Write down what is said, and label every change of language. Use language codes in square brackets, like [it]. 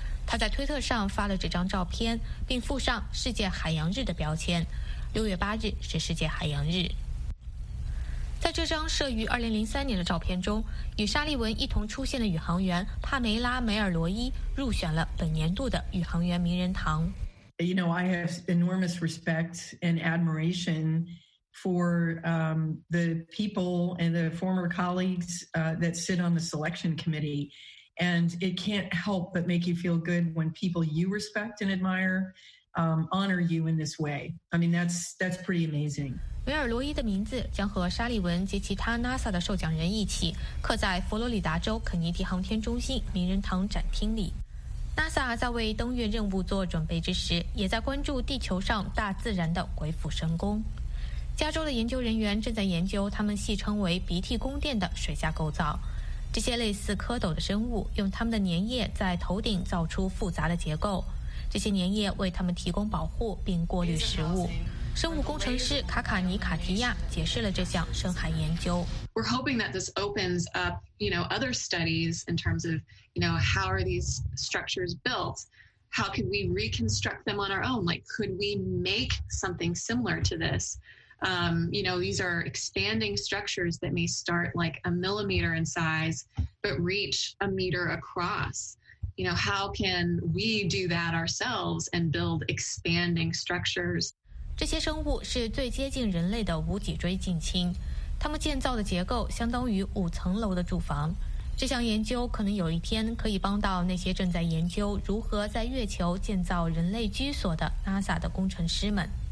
[zh] 她在推特上发了这张照片，并附上世界海洋日的标签。 6月8日是世界海洋日。在这张摄于2003年的照片中，与沙利文一同出现的宇航员帕梅拉·梅尔罗伊入选了本年度的宇航员名人堂。 [en] You know, I have enormous respect and admiration for the people and the former colleagues that sit on the selection committee. And it can't help but make you feel good when people you respect and admire honor you in this way. I mean, that's pretty amazing. [zh] 梅尔罗伊的名字将和沙利文及其他 NASA 的受奖人一起刻在佛罗里达州肯尼迪航天中心名人堂展厅里。 NASA 在为登月任务做准备之时，也在关注地球上大自然的鬼斧神工。加州的研究人员正在研究他们戏称为鼻涕宫殿的水下构造，这些类似蝌蚪的生物用他们的粘液在头顶造出复杂的结构，这些粘液为他们提供保护并过滤食物。生物工程师卡卡尼卡提亚解释了这项深海研究。 [en] We're hoping that this opens up, you know, other studies in terms of, you know, how are these structures built? How can we reconstruct them on our own? Like, could we make something similar to this? You know, these are expanding structures that may start like a millimeter in size, but reach a meter across. You know, how can we do that ourselves and build expanding structures? [zh] 这些生物是最接近人类的无脊椎近亲，它们建造的结构相当于5层楼的住房。这项研究可能有一天可以帮到那些正在研究如何在月球建造人类居所的 NASA 的工程师们。